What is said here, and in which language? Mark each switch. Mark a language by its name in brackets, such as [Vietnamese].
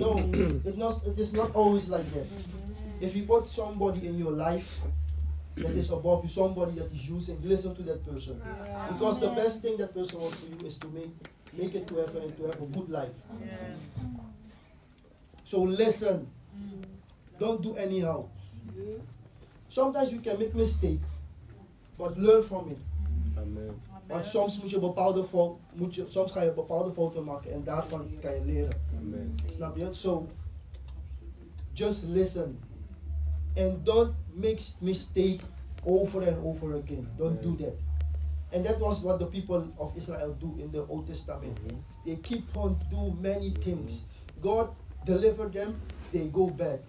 [English] No, it is not always like that. If you put somebody in your life that is above you, somebody that is using, listen to that person. Because the best thing that person wants for you is to make it to heaven and to have a good life. So listen. Don't do anyhow. Sometimes you can make mistakes. But learn from it. Amen. [Dutch] Want soms moet je bepaalde fouten, soms ga je bepaalde fouten maken en daarvan kan je leren. Amen. Snap je? [English] So, just listen. And don't make mistake over and over again. Amen. Don't do that. And that was what the people of Israel do in the Old Testament. Mm-hmm. They keep on doing many things. Mm-hmm. God delivered them, they go back.